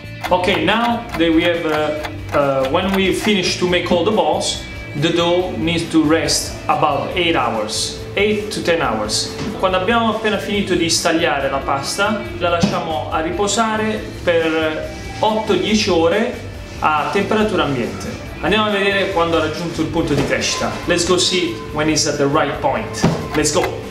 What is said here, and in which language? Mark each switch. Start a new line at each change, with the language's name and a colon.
English: Okay, now that we have, when we finish to make all the balls, the dough needs to rest about 8 hours, 8 to 10 hours.
Italian: Quando abbiamo appena finito di stagliare la pasta, la lasciamo a riposare per 8-10 ore a temperatura ambiente. Andiamo a vedere quando ha raggiunto il punto di crescita.
English: Let's go see when it's at the right point. Let's go!